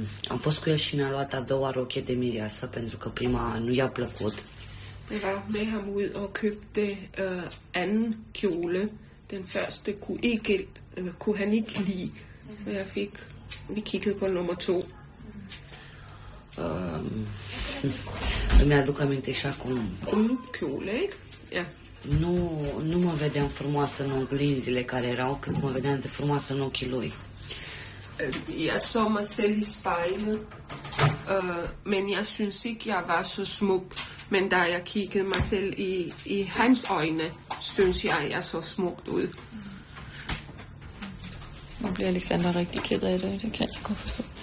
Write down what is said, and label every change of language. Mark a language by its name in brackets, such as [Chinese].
[Romanian] Am fost cu el și mi-a luat a doua roche de mireasă pentru că prima nu i-a plăcut. [Danish] Vi var med ham ud og købte anden kjole. Den første kunne han ikke lide. Så vi kiggede på nummer 2. [Romanian] Îmi aduc aminte și acum. [Danish] Un kjole, ikke? Ja. [Romanian] Nu mă vedeam frumoasă în oglinzile care erau, cât mă vedeam de frumoasă în ochii lui. [Danish] Jeg så mig selv i spejlet, men jeg synes ikke, jeg var så smuk. Men da jeg kiggede mig selv i hans øjne, synes jeg, at jeg så smukt ud. Nu bliver Alexander rigtig ked af det, det kan jeg godt forstå.